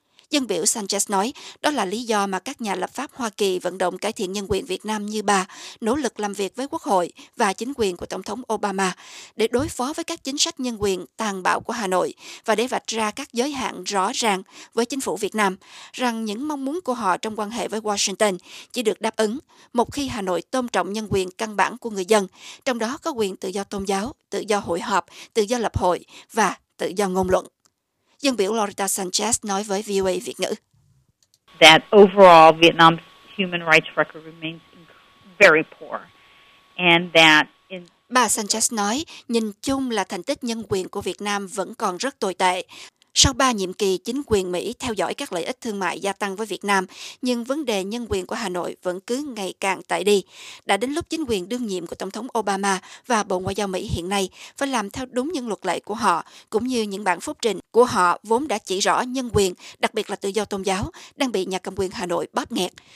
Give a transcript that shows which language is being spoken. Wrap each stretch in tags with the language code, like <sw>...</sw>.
<vi>Dân biểu Sanchez nói đó là lý do mà các nhà lập pháp Hoa Kỳ vận động cải thiện nhân quyền Việt Nam như bà nỗ lực làm việc với Quốc hội và chính quyền của Tổng thống Obama để đối phó với các chính sách nhân quyền tàn bạo của Hà Nội và để vạch ra các giới hạn rõ ràng với chính phủ Việt Nam rằng những mong muốn của họ trong quan hệ với Washington chỉ được đáp ứng một khi Hà Nội tôn trọng nhân quyền căn bản của người dân, trong đó có quyền tự do tôn giáo, tự do hội họp, tự do lập hội và tự do ngôn luận. Dân biểu Loretta Sanchez nói với VOA Việt ngữ.</vi> <en>That overall Vietnam's human rights record remains very poor. And that in...</en> <vi>Bà Sanchez nói, nhìn chung là thành tích nhân quyền của Việt Nam vẫn còn rất tồi tệ. Sau 3 nhiệm kỳ, chính quyền Mỹ theo dõi các lợi ích thương mại gia tăng với Việt Nam, nhưng vấn đề nhân quyền của Hà Nội vẫn cứ ngày càng tệ đi. Đã đến lúc chính quyền đương nhiệm của Tổng thống Obama và Bộ Ngoại giao Mỹ hiện nay phải làm theo đúng những luật lệ của họ, cũng như những bản phúc trình của họ vốn đã chỉ rõ nhân quyền, đặc biệt là tự do tôn giáo, đang bị nhà cầm quyền Hà Nội bóp nghẹt.</vi>